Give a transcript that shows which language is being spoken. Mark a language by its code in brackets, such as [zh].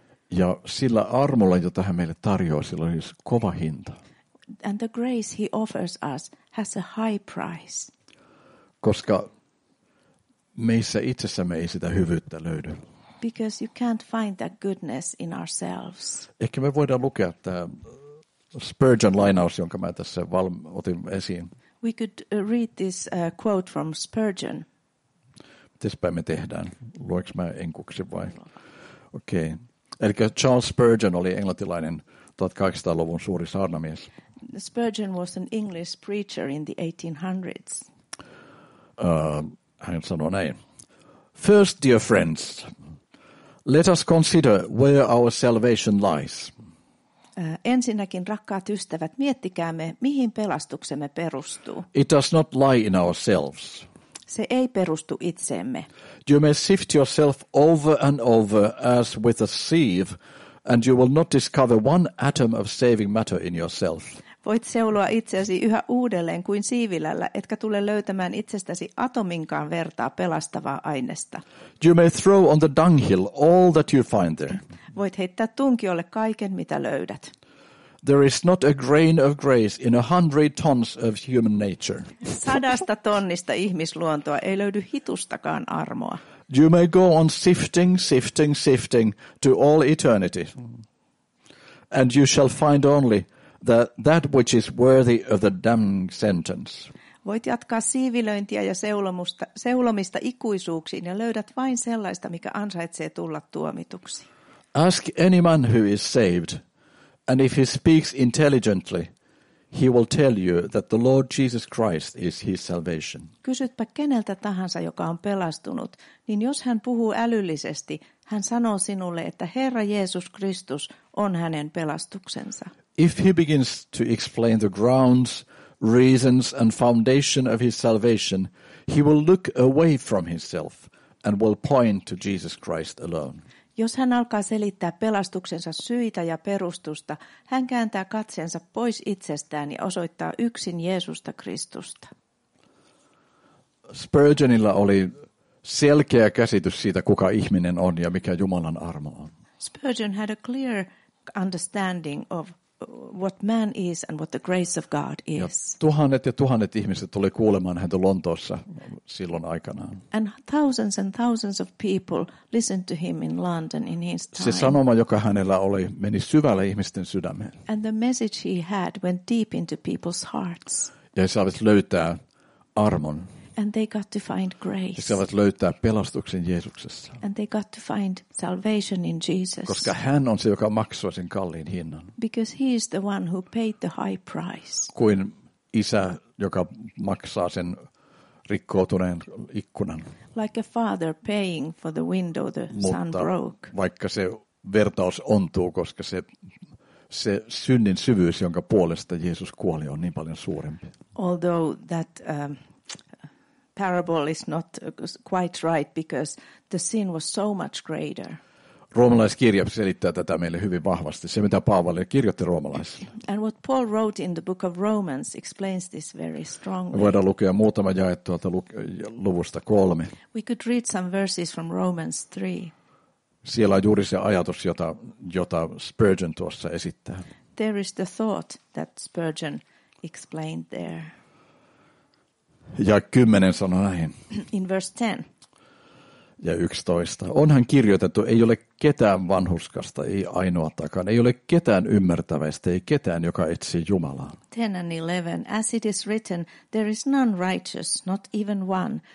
[fi] Ja sillä armolla, jota hän meille tarjoaa, sillä on siis kova hinta. [en] And the grace he offers us has a high price. [fi] Koska meissä itsessämme ei sitä hyvyyttä löydy. [en] Because you can't find that goodness in ourselves. [fi] Ehkä me voidaan lukea tämä Spurgeon lainaus, jonka mä tässä otin esiin. [en] We could read this quote from Spurgeon. [fi] Mitäspäin me tehdään? Luoinko mä enkuksi vai? Okei. Okay. Eli Charles Spurgeon oli englantilainen 1800-luvun suuri saarnamies. [en] Spurgeon was an English preacher in the 1800s. [fi] Hän sanoi näin. [en] First, dear friends, let us consider where our salvation lies. [fi] Ensinnäkin, rakkaat ystävät, miettikäämme, mihin pelastuksemme perustuu. [en] It does not lie in ourselves. [fi] Se ei perustu itseemme. [en] You may sift yourself over and over as with a sieve, and you will not discover one atom of saving matter in yourself. [fi] Voit seuloa itseäsi yhä uudelleen kuin siivilällä, etkä tule löytämään itsestäsi atominkaan vertaa pelastavaa ainesta. [en] You may throw on the dunghill all that you find there. [fi] Voit heittää tunkiolle kaiken, mitä löydät. [en] There is not a grain of grace in 100 tons of human nature. [fi] 100 tonnista ihmisluontoa ei löydy hitustakaan armoa. [en] You may go on sifting, sifting, sifting to all eternity. And you shall find only that which is worthy of the damning sentence. [fi] Voit jatkaa siivilöintiä ja seulomista ikuisuuksiin ja löydät vain sellaista, mikä ansaitsee tulla tuomituksi. [en] Ask any man who is saved, and if he speaks intelligently, he will tell you that the Lord Jesus Christ is his salvation. [fi] Kysytpä keneltä tahansa, joka on pelastunut, niin jos hän puhuu älyllisesti, hän sanoo sinulle, että Herra Jeesus Kristus on hänen pelastuksensa. [en] If he begins to explain the grounds, reasons and foundation of his salvation, he will look away from himself and will point to Jesus Christ alone. [fi] Jos hän alkaa selittää pelastuksensa syitä ja perustusta, hän kääntää katseensa pois itsestään ja osoittaa yksin Jeesusta Kristusta. Spurgeonilla oli selkeä käsitys siitä, kuka ihminen on ja mikä Jumalan armo on. [en] Spurgeon had a clear understanding of what man is and what the grace of God is. [fi] Tuhannet ihmiset tuli kuulemaan häntä Lontoossa silloin aikanaan. [en] And thousands of people listened to him in London in his time. [fi] Se sanoma, joka hänellä oli, meni syvälle ihmisten sydämeen. [en] And the message he had went deep into people's hearts. [fi] Ja he saivat löytää armon. [en] And they got to find grace. [fi] He saivat löytää pelastuksen Jeesuksessa. [en] And they got to find salvation in Jesus. [fi] Koska hän on se, joka maksoi sen kalliin hinnan. [en] Because he is the one who paid the high price. [fi] Kuin isä, joka maksaa sen rikkoutuneen ikkunan. [en] Like a father paying for the window the son broke. [fi] Vaikka se vertaus ontuu, koska se synnin syvyys, jonka puolesta Jeesus kuoli, on niin paljon suurempi. [en] Although that parable is not quite right because the sin was so much greater. [fi] Roomalaiskirja selittää tätä meille hyvin vahvasti. Se mitä Paavali kirjoitti roomalaisille. [en] And what Paul wrote in the book of Romans explains this very strongly. [fi] Voidaan lukea muutama jae tuolta luvusta 3. [en] We could read some verses from Romans 3. [fi] Siellä on juuri se ajatus, jota Spurgeon tuossa esittää. [en] There is the thought that Spurgeon explained there. [fi] Ja 10 sanoo näin. [en] In verse 10. [fi] Ja 11. Onhan kirjoitettu, ei ole ketään vanhurskasta, ei ainoatakaan. Ei ole ketään ymmärtäväistä, ei ketään, joka etsii Jumalaa. [en] 10 and 11. As it is written, there is none righteous, not even one.